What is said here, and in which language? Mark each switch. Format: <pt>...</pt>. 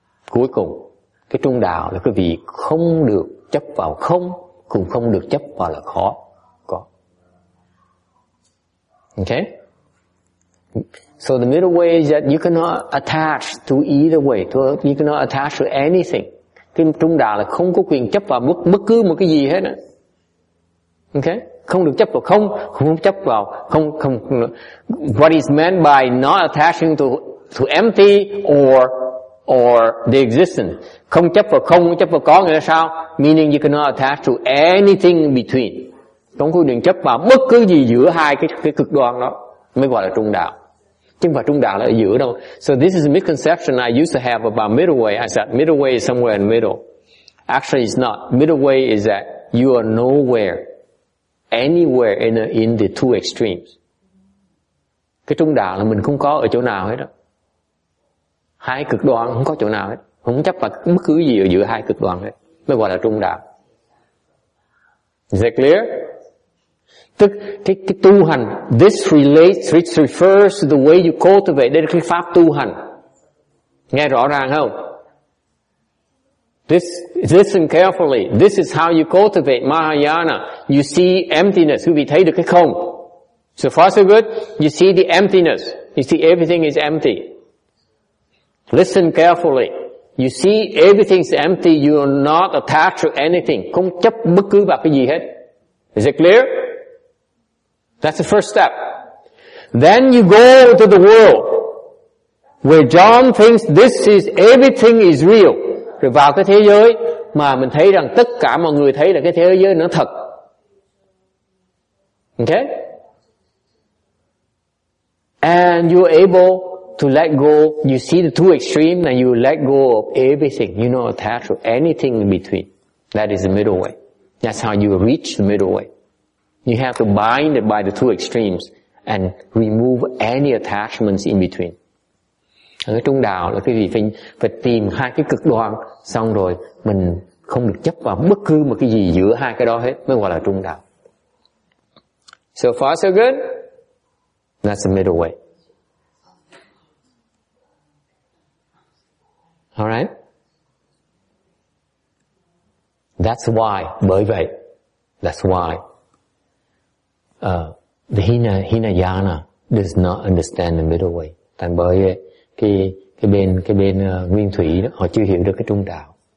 <vi>Cuối cùng cái trung đạo là cái vị không được chấp vào không, cũng không được chấp vào là khó có.</vi> <en>Ok, so the middle way is that you cannot attach to either way, you cannot attach to anything.</en> <vi>Cái trung đạo là không có quyền chấp vào bất cứ một cái gì hết á. Ok, không được chấp vào không, không chấp vào không, không.</vi> <en>What is meant by not attaching to empty or the existence?</en> <vi>Không chấp vào không, chấp vào có nghĩa là sao?</vi> <en>Meaning you cannot attach to anything in between.</en> <vi>Không có quyền chấp vào bất cứ gì giữa hai cái cực đoan đó mới gọi là trung đạo. Chứ không phải trung đạo là ở giữa đâu.</vi> <en>So this is a misconception I used to have about middle way. I said middle way is somewhere in the middle. Actually it's not. Middle way is that you are nowhere, anywhere in the two extremes.</en> <vi>Cái trung đạo là mình không có ở chỗ nào hết đó. Hai cực đoan không có chỗ nào hết. Không chấp vào bất cứ gì ở giữa hai cực đoan hết. Mới gọi là trung đạo.</vi> <en>Is that clear?</en> <vi>Tức cái tu hành,</vi> <en>this relates, which refers to the way you cultivate.</en> <vi>Đây là cái pháp tu hành. Nghe rõ ràng không?</vi> <en>This, listen carefully. This is how you cultivate Mahayana. You see emptiness.</en> <vi>Quý vị thấy được cái không?</vi> <en>So far so good. You see the emptiness. You see everything is empty. Listen carefully. You see everything is empty. You are not attached to anything.</en> <vi>Không chấp bất cứ vào cái gì hết.</vi> <en>Is it clear? That's the first step. Then you go to the world where John thinks this is everything is real.</en> <vi>Rồi vào cái thế giới mà mình thấy rằng tất cả mọi người thấy là cái thế giới nó thật.</vi> <en>Okay? And you're able to let go. You see the two extremes and you let go of everything. You're not attached to anything in between. That is the middle way. That's how you reach the middle way. You have to bind it by the two extremes and remove any attachments in between.</en> <vi>Cái trung đạo là cái gì? Phải tìm hai cái cực đoan, xong rồi mình không được chấp vào bất cứ một cái gì giữa hai cái đó hết, mới gọi là trung đạo.</vi> <en>So far so good? That's the middle way. Alright? That's why,</en> <vi>bởi vậy,</vi> <en>that's why the Hinayana does not understand the middle way.</en> <vi>Tại bởi vậy, cái bên nguyên thủy đó, họ chưa hiểu được cái trung đạo.</vi>